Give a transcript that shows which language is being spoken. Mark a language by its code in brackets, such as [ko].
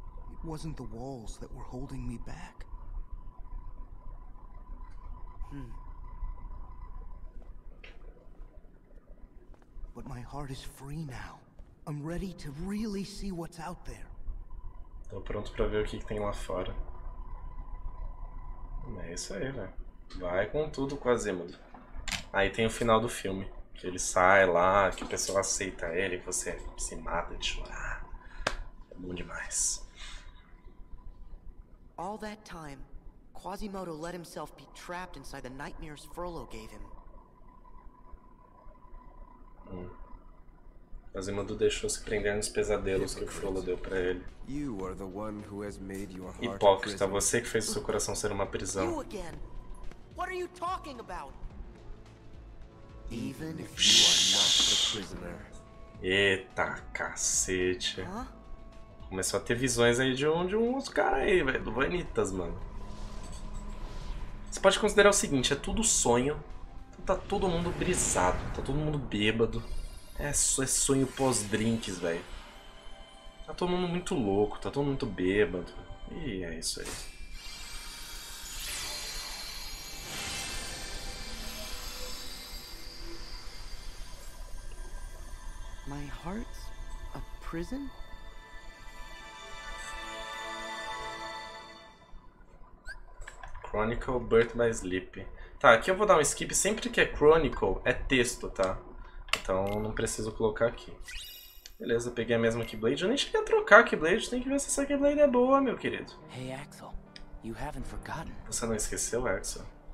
[en] It wasn't the walls that were holding me back. Hmm. But my heart is free now. I'm ready to really see what's out there. [pt] Tô pronto pra ver o que tem lá fora. É isso aí, velho. Vai com tudo, Quasimodo. Aí tem o final do filme. Que ele sai lá, que o pessoal aceita ele, que você se mata de chorar. É bom demais. [en] all that time, Quasimodo let himself be trapped inside the nightmares Furlough gave him. [pt] Quasimodo deixou se prender nos pesadelos que o Frollo deu pra ele. [en] You are the one who has made your heart. [pt] Hipócrita, você que fez o seu coração ser uma prisão. [en] You again. What are you talking about? Even if you are not the prisoner. [pt] Eita cacete. Começou a ter visões aí de uns caras aí, velho. Do Vanitas, mano. Você pode considerar o seguinte: é tudo sonho. Tá todo mundo brisado, tá todo mundo bêbado. É sonho pós-drinks, velho. Tá todo mundo muito louco, tá todo mundo bêbado. E é isso aí. [en] My heart's a prison? Chronicle Birth by Sleep. [pt] Tá, aqui eu vou dar um skip. Sempre que é Chronicle, é texto, tá? Então não preciso colocar aqui. Beleza, peguei a mesma Keyblade. Eu nem cheguei a trocar a Keyblade. Tem que ver se essa Keyblade é boa, meu querido. [en] Hey, Axel. You haven't forgotten. [pt] Você não esqueceu, Axel?